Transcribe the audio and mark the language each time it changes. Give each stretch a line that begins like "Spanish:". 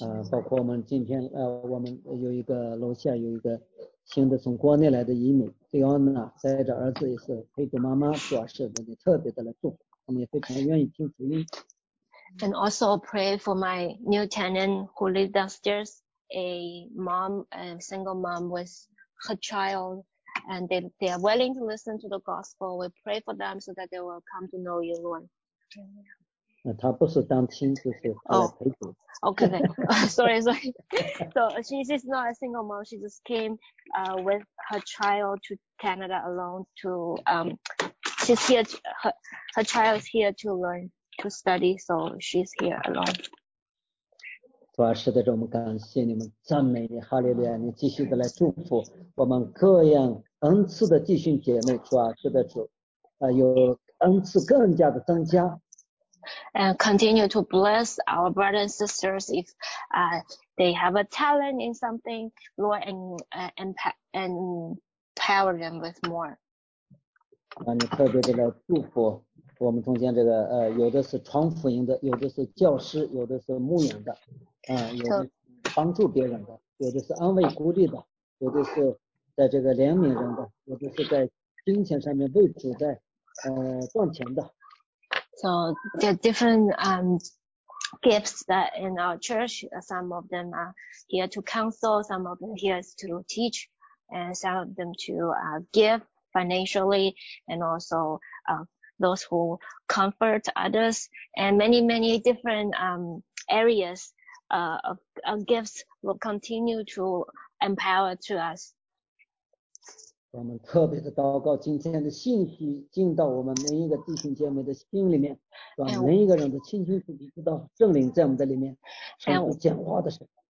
Chinese: 包括我们今天我们有一个楼下有一个新的从国内来的移民 Fiona， 带着儿子也是陪着妈妈主要是你特别的来祝福，我们也非常愿意听福音。
English: And also pray for my new tenant who lives downstairs, a mom, a single mom with her child, and they are willing to listen to the gospel. We pray for them so that they will come to know you, Lord.
Chinese: 他不是单亲，就是陪读。
English: Okay, then. sorry. So she's not a single mom. She just came with her child to Canada alone to, she's here, her child is here to learn. To study, so she's here alone.
Chinese: 主啊，是的，我们感谢你们，赞美你，哈利路亚！你继续的来祝福我们各样恩赐的弟兄姐妹，主啊，是的，主，有恩赐更加的增加。
English: And continue to bless our brothers and sisters if they have a talent in something, Lord, and empower them with more.
Chinese: 啊，你特别的来祝福。我们中间这个有的是传福音的，有的是教师，有的是牧养的，有的是帮助别人的，有的是安慰鼓励的，有的是在这个怜悯人的，有的是在金钱上面为主在赚钱的。
English: So there are different gifts that in our church. Some of them are here to counsel, some of them here is to teach, and some of them to give financially and also those who comfort others, and many, many different areas of gifts will continue to empower to us.
Chinese: 我们特别的祷告今天的信息进到我们每一个弟兄姐妹的心里面，让每一个人都清清楚楚知道圣灵在我们的里面，圣灵讲话的神。